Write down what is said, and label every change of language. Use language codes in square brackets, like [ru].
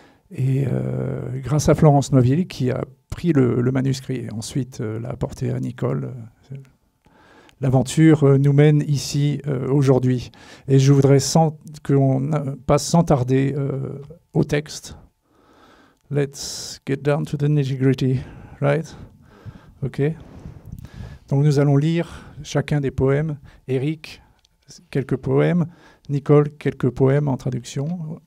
[fr] Et grâce à Florence Noville, qui a pris le manuscrit et ensuite l'a apporté à Nicole, l'aventure nous mène ici aujourd'hui. Et je voudrais qu'on passe sans tarder au texte. [en] Let's get down to the nitty-gritty, right? OK. [fr] Donc nous allons lire chacun des poèmes. Eric, quelques poèmes. Nicole, quelques poèmes en traduction.